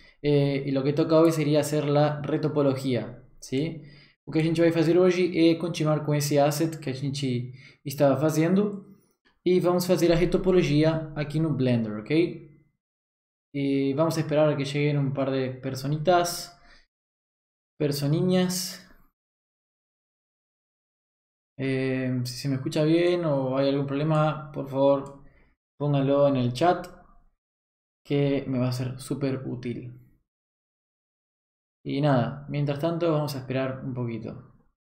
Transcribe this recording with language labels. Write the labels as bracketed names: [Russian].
[Spanish] E lo que toca [Portuguese] hoje seria [Spanish] hacer la retopología, ¿sí? [Portuguese] O que a gente vai fazer hoje é continuar com esse asset que a gente estava fazendo e vamos fazer a retopologia aqui no Blender, ok? E vamos esperar a que cheguem um par de personitas, personinhas. Se me escuta bem ou há algum problema, por favor, [Spanish] póngalo [Portuguese] no chat que me vai ser super útil. [Spanish] Y nada, mientras tanto vamos a esperar un poquito.